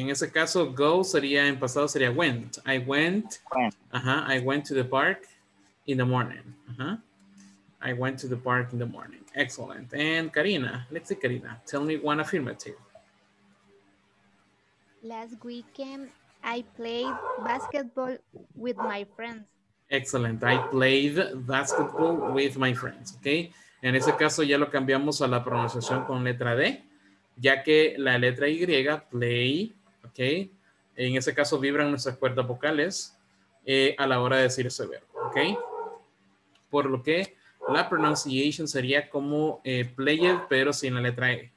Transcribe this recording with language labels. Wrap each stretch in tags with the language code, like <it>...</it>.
<es>En ese caso, go sería, en pasado sería went.</es> <en>I went. I went to the park in the morning. I went to the park in the morning. Excellent. And Karina, let's see Karina. Tell me one affirmative. Last weekend, I played basketball with my friends. Excellent. I played basketball with my friends. Okay.</en> <es>En ese caso ya lo cambiamos a la pronunciación con letra D, ya que la letra Y, play, okay, en ese caso vibran nuestras cuerdas vocales a la hora de decir ese verbo. Okay. Por lo que la pronunciation sería como played, pero sin la letra E.</es>